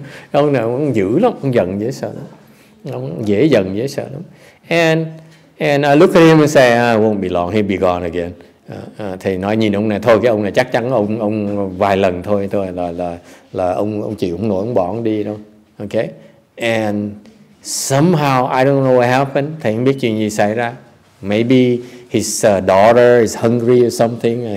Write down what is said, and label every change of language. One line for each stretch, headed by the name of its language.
Vietnamese: Ông nào ông dữ lắm, ông giận dễ sợ lắm. Ông dễ giận dễ sợ lắm.
English: And I look at him and say, I won't be long, he'll be gone again.
Vietnamese: Thầy nói nhìn ông này thôi, cái ông này chắc chắn ông vài lần thôi là ông chịu không nổi, ông bỏ ông đi đâu. Okay?
English: And somehow I don't know what happened.
Vietnamese: Thầy không biết chuyện gì xảy ra.
English: Maybe his daughter is hungry or something.